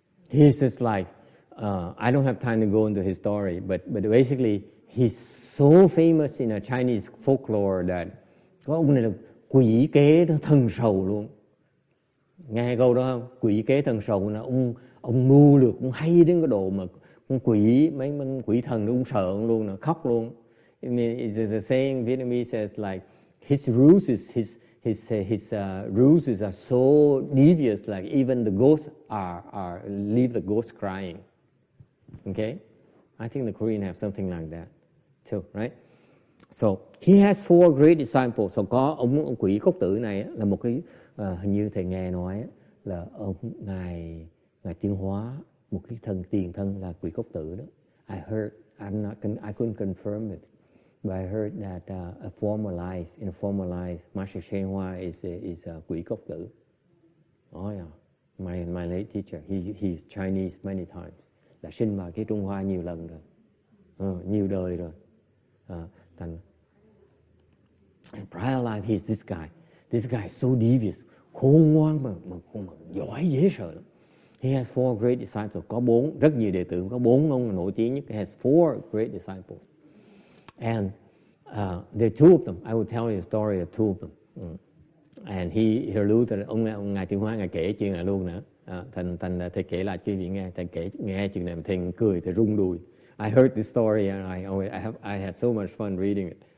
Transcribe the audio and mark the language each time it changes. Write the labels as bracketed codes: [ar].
[en] He's just like, I don't have time to go into his story, but basically, he's so famous in a Chinese folklore that [vi] có ông này là quỷ kế thần sầu luôn. Nghe câu đó không? Quỷ kế thần sầu là ông mưu lược, ông hay đến cái độ mà con quỷ, mấy con quỷ thần nó cũng sợ luôn, nó khóc luôn. [en] I mean, it's the saying Vietnamese says like, his ruses are so devious, like even the ghosts are leave the ghosts crying. Okay? I think the Koreans have something like that too, right? So, he has four great disciples. [vi] So, có ông quỷ cốc tử này là một cái, hình như thầy nghe nói là ông ngài tiến hóa một cái thần tiền thân là quỷ cốc tử đó. [en] I couldn't confirm it. But I heard that in a former life, Master Shen Hua is a quỷ cốc tử. Oh yeah, my late teacher, he's Chinese many times. [vi] Đã sinh vào cái Trung Hoa nhiều lần rồi, nhiều đời rồi. [en] In prior life, he's this guy. This guy is so devious, [vi] khôn ngoan mà giỏi dễ sợ lắm. [en] He has four great disciples, [vi] có bốn, rất nhiều đệ tử, có bốn ông nổi tiếng nhất. [en] He has four great disciples. And there are two of them. I will tell you a story of two of them. And he alluded, [vi] ông Ngài Tiên Hóa, Ngài kể chuyện này luôn nữa. Thành thầy kể lại cho quý vị nghe. Thầy kể, nghe chuyện này, thầy cười, thầy rung đùi. [en] I heard this story and I had so much fun reading it.